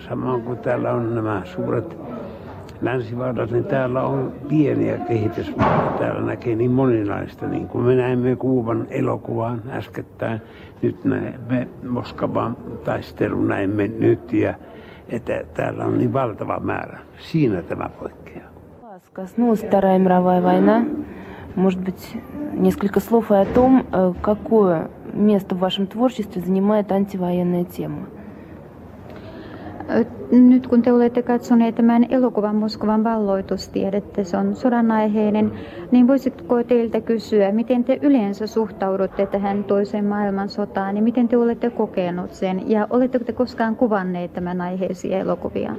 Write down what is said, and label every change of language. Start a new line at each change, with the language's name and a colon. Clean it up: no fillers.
Finnish: Samoin kuin täällä on nämä suuret länsivaltat, niin täällä on pieniä kehitysmaita, täällä näkee niin moninaista, niin kuin me näemme Kuuban elokuvan äskettäin, nyt näemme Moskovan taistelun, näemme nyt, ja että täällä on niin valtava määrä. Siinä tämä poikkeaa.
Russian: Ну, вторая мировая война. Может быть, несколько слов о том, какое место в вашем творчестве занимает антивоенная тема.
Finnish: Nyt kun te olette katsoneet tämän elokuvan Moskovan valloitus, tiedätte, se on sodanaiheinen, niin voisitko teiltä kysyä, miten te yleensä suhtaudutte tähän toiseen maailmansotaan ja miten te olette kokenut sen ja oletteko te koskaan kuvanneet tämän aiheisia elokuvia?